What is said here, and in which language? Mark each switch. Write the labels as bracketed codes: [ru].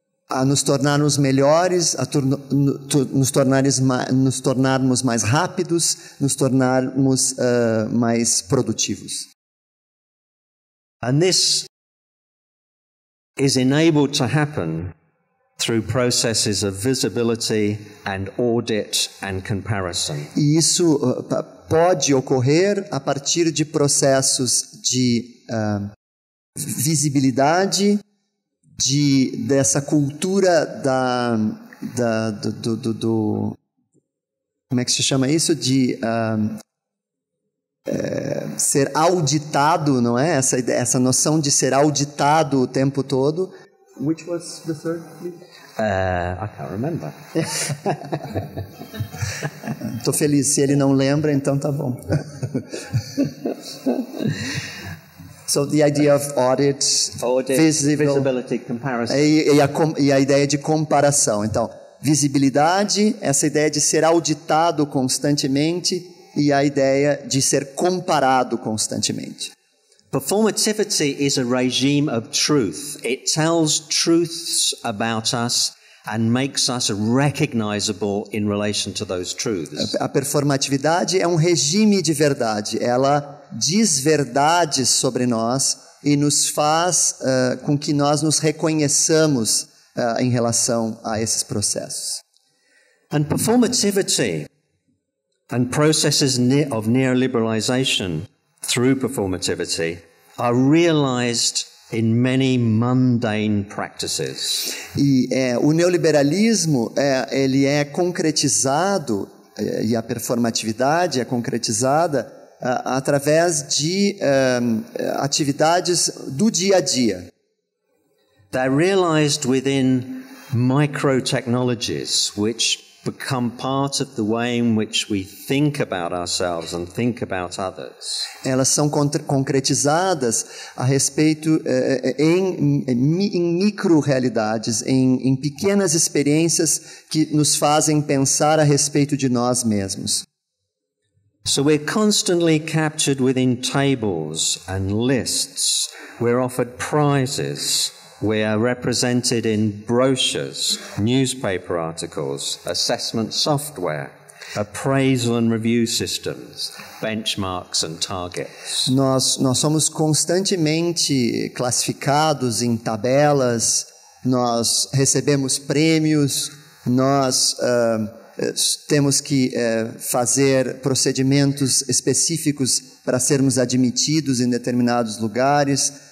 [pt] A nos tornarmos melhores, nos tornarmos mais rápidos, nos tornarmos mais produtivos. [en] And this is enabled to happen through processes of visibility and audit and comparison. [pt] E isso pode ocorrer a partir de processos de visibilidade, dessa cultura do como é que se chama isso? De ser auditado, não é? Essa noção de ser auditado o tempo todo. [en] Which was the third, please? I can't remember. [pt] Tô feliz. Se ele não lembra, então tá bom. [en] So the idea of audit visibility, comparison. [pt] E a ideia de comparação. Então, visibilidade, essa ideia de ser auditado constantemente e a ideia de ser comparado constantemente. [en] Performativity is a regime of truth. It tells truths about us and makes us recognizable in relation to those truths. [pt] A performatividade é um regime de verdade. Ela diz verdades sobre nós e nos faz com que nós nos reconheçamos em relação a esses processos. [en] And performativity and processes of neoliberalization through performativity are realized in many mundane practices. [pt] O neoliberalismo ele é concretizado e a performatividade é concretizada através de atividades do dia a dia. [en] They're realized within micro technologies which become part of the way in which we think about ourselves and think about others. [pt] Elas são concretizadas a respeito em micro-realidades, em pequenas experiências que nos fazem pensar a respeito de nós mesmos. [en] So we're constantly captured within tables and lists. We're offered prizes. We are represented in brochures, newspaper articles, assessment software, appraisal and review systems, benchmarks and targets. [pt] Nós somos constantemente classificados em tabelas, nós recebemos prêmios, nós temos que fazer procedimentos específicos para sermos admitidos em determinados lugares.